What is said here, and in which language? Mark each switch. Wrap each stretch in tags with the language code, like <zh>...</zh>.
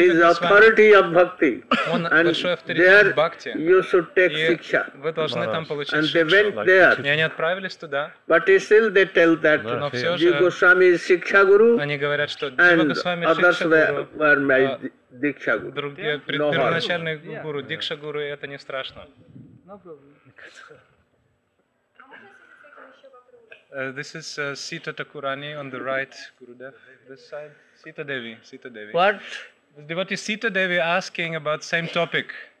<en>is authority of bhakti. And there you should take shiksha. And they went there. But still they tell that Jiva Goswami is shiksha guru and others were my diksha guru.</en> <ru>Другие, первоначальные гуру, дикша гуру, это не страшно.</ru> <en>This is Sita Thakurani on the right, Gurudev, this side. Sita Devi, Sita Devi. What? The devotee Sita Devi asking about the same topic.</en>